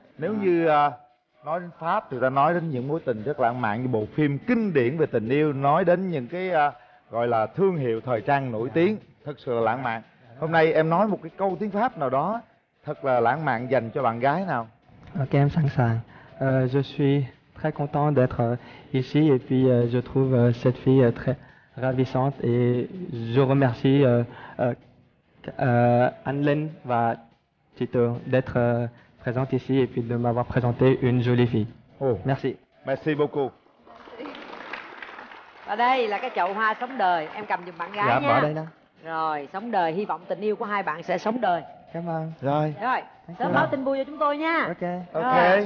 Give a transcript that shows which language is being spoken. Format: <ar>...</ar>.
<vi>Nếu như nói đến Pháp thì ta nói đến những mối tình rất lãng mạn như bộ phim kinh điển về tình yêu, nói đến những cái gọi là thương hiệu thời trang nổi tiếng, thật sự là lãng mạn. Hôm nay em nói một cái câu tiếng Pháp nào đó thật là lãng mạn dành cho bạn gái nào. Ok, em sẵn sàng.</vi> <fr>Je suis très content d'être ici et puis je trouve cette fille très ravissante et je remercie Anne-Lène và Tito d'être présente ici et puis de m'avoir présenté une jolie fille. Oh. Merci. Merci beaucoup.</fr> <vi>Và đây là cái chậu hoa sống đời, em cầm giùm bạn gái dạ, nha. Dạ, bỏ đây nè. Rồi, sống đời, hy vọng tình yêu của hai bạn sẽ sống đời. Cảm ơn. Rồi. Rồi, sớm báo tin vui cho chúng tôi nha. Ok. Ok.</vi>